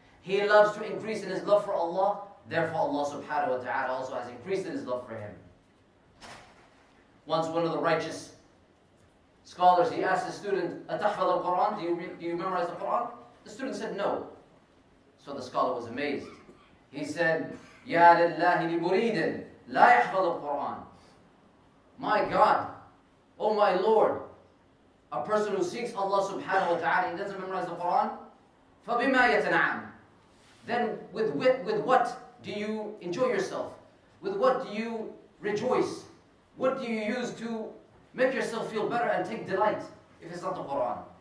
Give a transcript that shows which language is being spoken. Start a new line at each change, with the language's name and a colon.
English: He loves to increase in his love for Allah. Therefore Allah subhanahu wa ta'ala also has increased in his love for him. Once one of the righteous scholars, he asked his student,
Arabic: أَتَحْفَظَ الْقُرْآنَ.
English: Do you memorize the Qur'an? The student said, no. So the scholar was amazed. He said,
Arabic: يَا لِلَّهِ لِمُرِيدٍ لَا يَحْفَظَ الْقُرْآنَ.
English: My God, oh my Lord, a person who seeks Allah subhanahu wa ta'ala, he doesn't memorize the Qur'an?
Arabic: فَبِمَا يَتَنَعَمُ.
English: Then with what do you enjoy yourself? With what do you rejoice? What do you use to make yourself feel better and take delight if it's not the Qur'an?